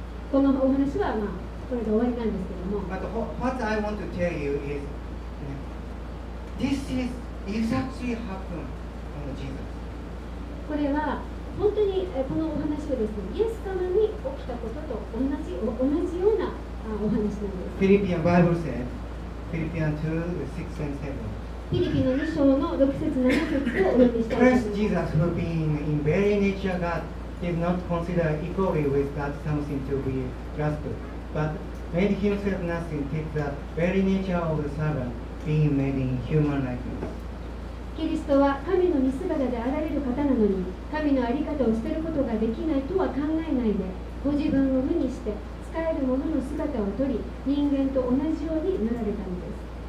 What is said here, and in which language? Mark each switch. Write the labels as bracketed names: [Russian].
[Japanese] このお話は、まあ、これで終わりなんですけども。 [English] But what I want to tell you is, you know, this is exactly happened on Jesus. [Japanese] これは本当にこのお話はですね、イエス様に起きたことと同じようなお話なんです。 [English] Philippian Bible says, Philippians 2, 6 and 7. Christ Jesus, who being in very nature God, did not consider equally with God something to be grasped, but made himself nothing, take the very nature of the servant, being made in human likeness. [Japanese] キリストは神の似姿であられる方なのに、神のあり方を捨てることができないとは考えないで、ご自分を無にして、使えるものの姿を取り、人間と同じようになられたのです。